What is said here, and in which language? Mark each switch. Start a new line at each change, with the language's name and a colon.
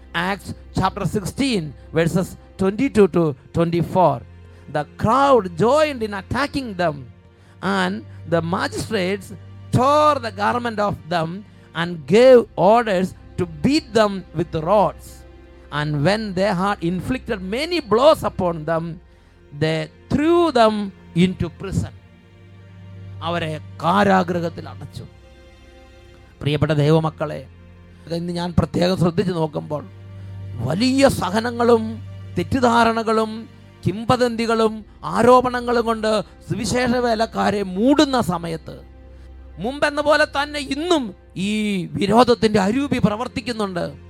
English: Acts chapter 16:22-24. The crowd joined in attacking them and the magistrates tore the garment of them and gave orders to beat them with rods. And when they had inflicted many blows upon them, they threw them into prison.
Malayalam: അവരെ കാരാഗ്രഹത്തിൽ അടച്ചു. പ്രിയപ്പെട്ട ദൈവമക്കളെ, ഇന്ന് ഞാൻ പ്രത്യേകം ശ്രദ്ധിച്ചു നോക്കുമ്പോൾ വലിയ സഹനങ്ങളും തെറ്റിദ്ധാരണകളും കിംവദന്തികളും ആരോപണങ്ങളും കൊണ്ട് സുവിശേഷ വേലക്കാരെ മൂടുന്ന സമയത്ത് മുമ്പെന്ന പോലെ തന്നെ ഇന്നും ഈ വിരോധത്തിന്റെ അരൂപി പ്രവർത്തിക്കുന്നുണ്ട്.